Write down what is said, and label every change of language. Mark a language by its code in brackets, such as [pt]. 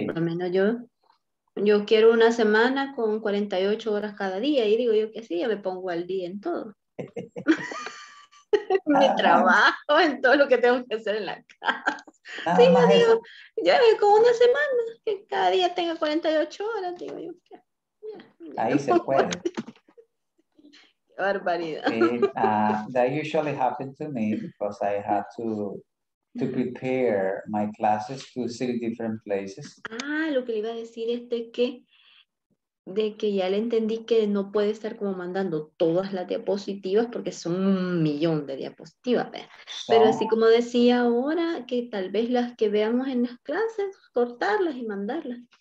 [es] Sí. Por lo menos yo quiero una semana con 48 horas cada día y digo yo que sí, ya me pongo al día en todo. Mi trabajo, en todo lo que tengo que hacer en la casa. Sí, yo digo, ya con una semana, que cada día tenga 48 horas, digo yo. Ahí se puede. Qué barbaridad. [en] That usually happened to me because I had to prepare my classes to sit in different places. [es] Lo que le iba a decir es de que ya le entendí que no puede estar como mandando todas las diapositivas porque son un millón de diapositivas. Pero así como decía ahora, que tal vez las que veamos en las clases, cortarlas y mandarlas.